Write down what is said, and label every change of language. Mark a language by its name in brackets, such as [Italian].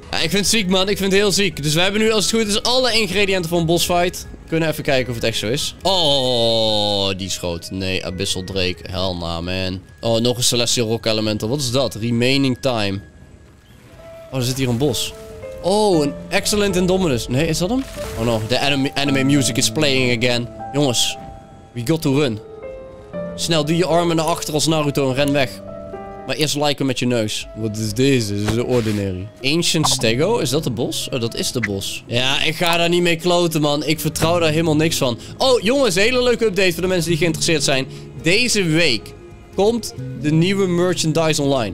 [Dutch] Ja, ik vind het ziek man, ik vind het heel ziek. Dus we hebben nu als het goed is alle ingrediënten voor een boss fight. Kunnen even kijken of het echt zo is. Oh, die schoot. Nee, Abyssal Drake. [English] Hell nah, man. [Dutch] Oh, nog een Celestial Rock Elemental. Wat is dat? Remaining time. Oh, er zit hier een bos. Oh, een Excellent Indominus. Nee, is dat hem? [English] Oh no, the anime music is playing again. Jongens, we got to run. [Dutch] Snel, doe je armen naar achter als Naruto en ren weg. Maar eerst liken met je neus. Wat is deze? Dit is de ordinary. Ancient Stego? Is dat de bos? Oh, dat is de bos. Ja, ik ga daar niet mee kloten, man. Ik vertrouw daar helemaal niks van. Oh, jongens, hele leuke update voor de mensen die geïnteresseerd zijn. Deze week komt de nieuwe merchandise online.